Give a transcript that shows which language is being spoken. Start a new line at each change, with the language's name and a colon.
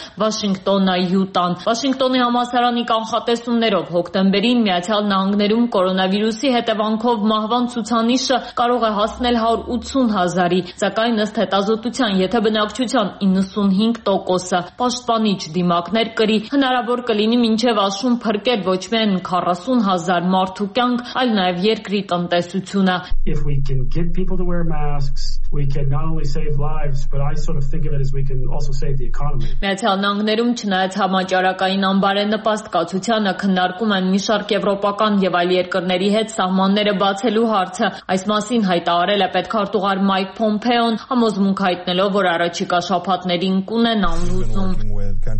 Armenian: Վաշինգտոնը, Յուտան։ Վաշինգտոնի համալսարանի կանխատեսումներով հոկտեմբերին Միացյալ Նահանգներում կորոնավիրուսի հետևանքով մահվան ցուցանիշը կարող է հասնել 180 000-ի։ Սակայն ըստ հետազոտության, եթե բնակչության 95%-ը պաշտպանիչ դիմակներ կրի, հնարավոր կլինի մինչև աշուն փրկել ոչ միայն 40 000 մարդու կյանք, այլ նաև երկրի տնտեսությունը։
English: If we can get people to wear masks, we can not only save lives, but I sort of think of it as we can also save the economy.
Armenian: Միացյալ Նահանգներում չնայած համաճարակային անբարենպաստ կացությանը քննարկում են մի շարք եվրոպական եւ այլ երկրների հետ սահմանները բացելու հարցը։ Այս մասին հայտարարել է պետքարտուղար Մայք Պոմպեոն, համոզմունք հայտնելով, որ առաջիկա շաբաթներին կունենան